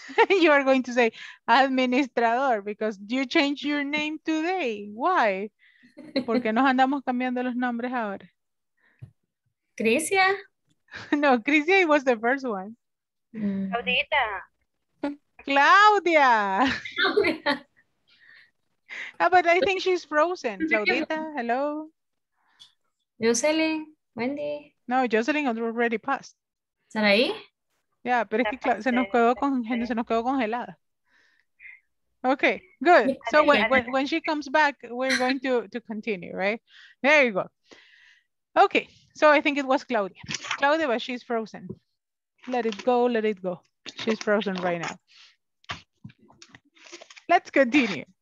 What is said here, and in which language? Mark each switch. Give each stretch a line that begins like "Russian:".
English: You are going to say administrador because you changed your name today. Why?
Spanish: ¿Por qué nos andamos cambiando los nombres ahora?
English: Crisia. No, Crisia was the first one. Claudita. Claudia. Claudia. Oh, but I think she's frozen. Claudita, hello. Jocelyn, Wendy. No, Jocelyn already passed.
Spanish: ¿Saraí? Ya, yeah, pero es que se nos quedó con gente, se nos quedó congelada.
English: Okay, good. So when she comes back, we're going to continue, right? There you go. Okay, so I think it was Claudia. Claudia, but she's frozen. Let it go, let it go. She's frozen right now. Let's continue.